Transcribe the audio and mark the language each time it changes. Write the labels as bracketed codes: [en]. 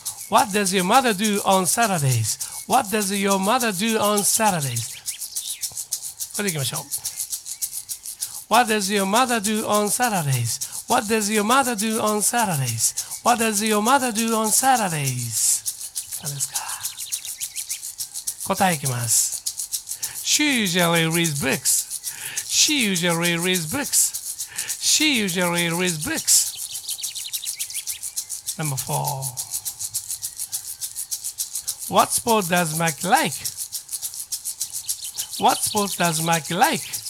[en] What does your mother do on Saturdays?What does your mother do on Saturdays? [ja] これでいきましょう。 [en] What does your mother do on Saturdays?What does your mother do on Saturdays?What does your mother do on Saturdays? [ja] いかがですか答えいきます。 [en] She usually reads books. She usually reads books. She usually reads books. Number four. What sport does Mike like? What sport does Mike like?